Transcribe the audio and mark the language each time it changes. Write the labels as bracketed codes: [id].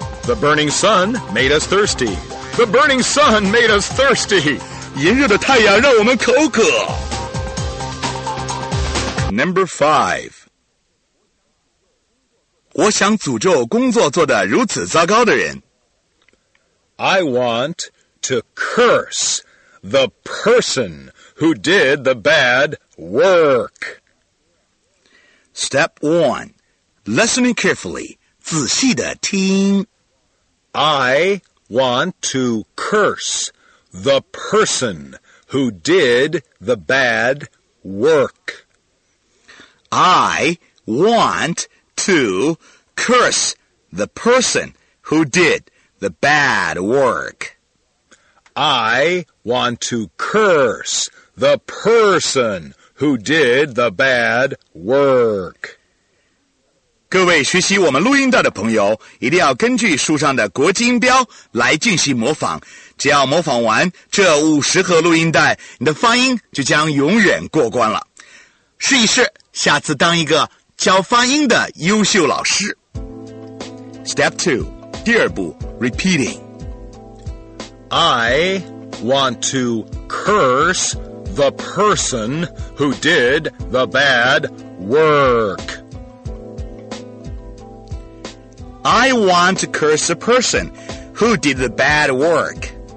[en] The burning sun made us thirsty. The burning sun made us thirsty. [zh] 炎热的太阳让我们口渴。 [en] Number 5. [zh] 我想诅咒工作做得如此糟糕的人。 [en] I want to curse the person who did the bad work. Step 1. Listening carefully. [zh] 仔细地听。 [en] I want to curse the person who did the bad work. I want to curse the person who did the bad work. I want to curse the person who did the bad work. [zh] 各位学习我们录音到的朋友，一定要根据书上的国际音标来进行模仿。只要模仿完这50盒录音带，你的发音就将永远过关了。试一试，下次当一个教发音的优秀老师。 [en] Step 2, [zh] 第二步 [en] repeating. I want to curse the person who did the bad work. I want to curse the person who did the bad work.